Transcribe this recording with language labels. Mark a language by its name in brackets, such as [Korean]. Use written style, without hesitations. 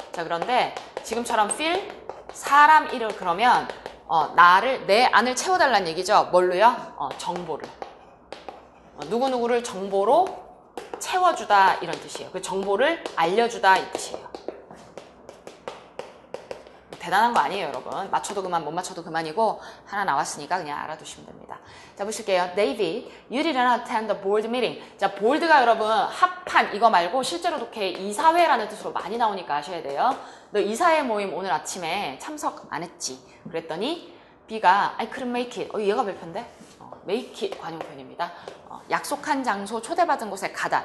[Korean] 자, 그런데 지금처럼 fill, 사람 이름, 그러면, 나를, 내 안을 채워달라는 얘기죠. 뭘로요? 정보를. 누구누구를 정보로 채워주다. 이런 뜻이에요. 그 정보를 알려주다. 이 뜻이에요. 대단한 거 아니에요, 여러분. 맞춰도 그만, 못 맞춰도 그만이고, 하나 나왔으니까 그냥 알아두시면 됩니다. 자, 보실게요. [English] David, you didn't attend the board meeting. [Korean] 자, board가 여러분, 합판, 이거 말고, 실제로 독해 이사회라는 뜻으로 많이 나오니까 아셔야 돼요. 너 이사회 모임 오늘 아침에 참석 안 했지. 그랬더니, B가, [English] I couldn't make it. [Korean] 얘가 별편데? make it 관용편입니다. 약속한 장소 초대받은 곳에 가다.